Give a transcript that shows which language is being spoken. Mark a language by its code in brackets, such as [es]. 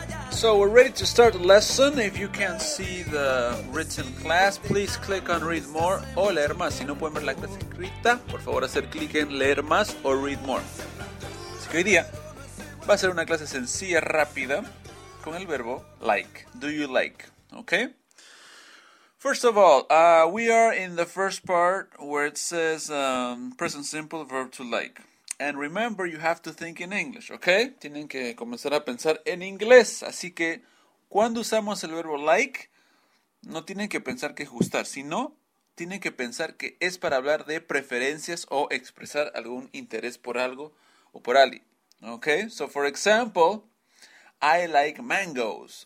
[en] So we're ready to start the lesson. If you can see the written class, please click on read more [es] o leer más. Si no pueden ver la clase escrita, por favor hacer clic en leer más o read more. Así que hoy día va a ser una clase sencilla, rápida, con el verbo like. [en] Do you like? Okay? First of all, we are in the first part where it says present simple verb to like. And remember, you have to think in English, okay? [es] Tienen que comenzar a pensar en inglés. Así que, cuando usamos el verbo like, no tienen que pensar que es gustar, sino tienen que pensar que es para hablar de preferencias o expresar algún interés por algo o por alguien. [en] Okay? So, for example, I like mangoes.